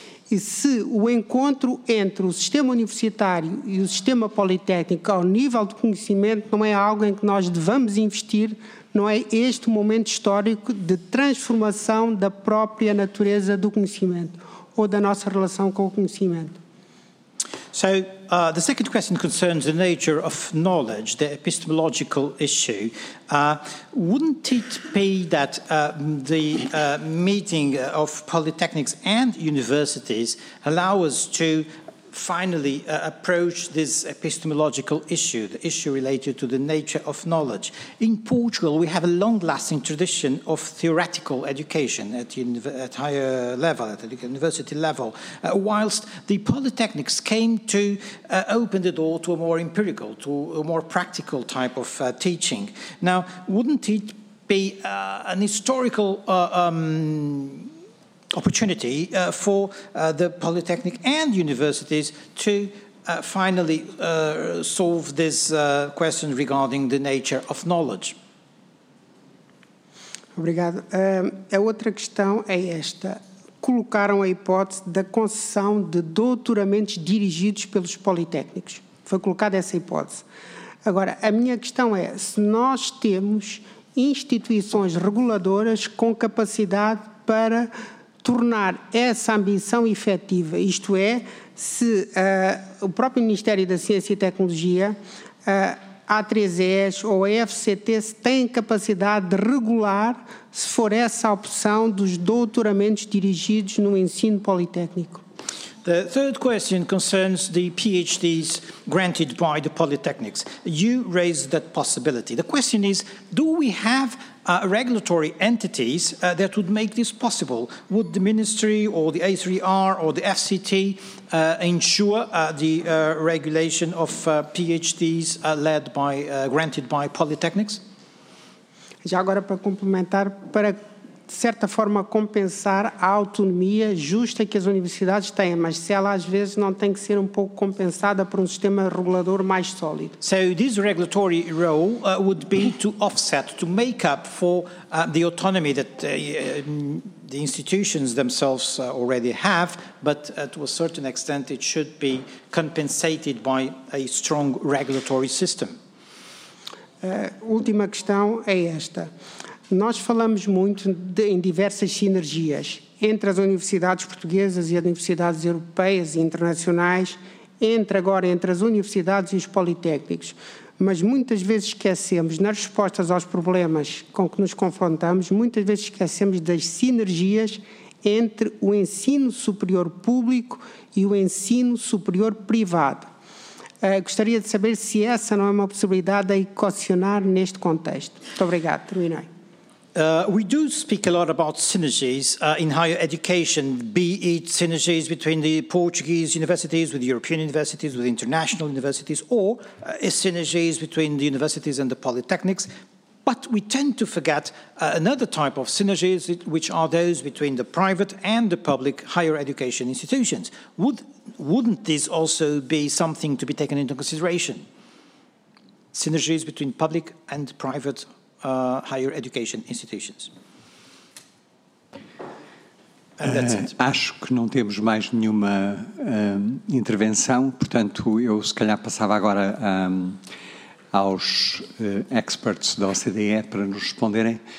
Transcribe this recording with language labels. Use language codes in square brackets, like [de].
[pt] E se o encontro entre o sistema universitário e o sistema politécnico ao nível de conhecimento não é algo em que nós devamos investir, não é este momento histórico de transformação da própria natureza do conhecimento ou da nossa relação com o conhecimento. [en] So, the second question concerns the nature of knowledge, the epistemological issue. Wouldn't it be that the meeting of polytechnics and universities allow us to finally approach this epistemological issue, the issue related to the nature of knowledge? In Portugal, we have a long-lasting tradition of theoretical education at higher level, at the university level, whilst the polytechnics came to open the door to a more empirical, to a more practical type of teaching. Now, wouldn't it be an historical opportunity for the polytechnic and universities to finally solve this question regarding the nature of knowledge? [pt] Obrigado. A outra questão é esta. Colocaram a hipótese da concessão de doutoramentos dirigidos pelos politécnicos. Foi colocada essa hipótese. Agora, a minha questão é, se nós temos instituições reguladoras com capacidade para tornar essa ambição efetiva, isto é, se o próprio Ministério da Ciência e Tecnologia, A3ES ou a FCT, se têm capacidade de regular, se for essa a opção, dos doutoramentos dirigidos no ensino politécnico. [en] The third question concerns the PhDs granted by the polytechnics. You raised that possibility. The question is, do we have regulatory entities that would make this possible? Would the Ministry or the A3R or the FCT ensure the regulation of PhDs granted by polytechnics? [pt] Já agora para complementar, para de certa forma compensar a autonomia justa que as universidades têm, mas se ela às vezes não tem que ser um pouco compensada por um sistema regulador mais sólido. [en] So this regulatory role would be to offset, to make up for the autonomy that the institutions themselves already have, but to a certain extent it should be compensated by a strong regulatory system. [pt] Última questão é esta. Nós falamos muito em diversas sinergias entre as universidades portuguesas e as universidades europeias e internacionais, entre as universidades e os politécnicos, mas muitas vezes esquecemos, nas respostas aos problemas com que nos confrontamos, muitas vezes esquecemos das sinergias entre o ensino superior público e o ensino superior privado. Gostaria de saber se essa não é uma possibilidade a equacionar neste contexto. Muito obrigado. Terminei. [en] We do speak a lot about synergies in higher education, be it synergies between the Portuguese universities with European universities, with international universities, or synergies between the universities and the polytechnics. But we tend to forget another type of synergies, which are those between the private and the public higher education institutions. Wouldn't this also be something to be taken into consideration? Synergies between public and private higher education institutions. [pt] Acho que não temos mais nenhuma intervenção, portanto eu se calhar passava agora aos experts da OCDE para nos responderem.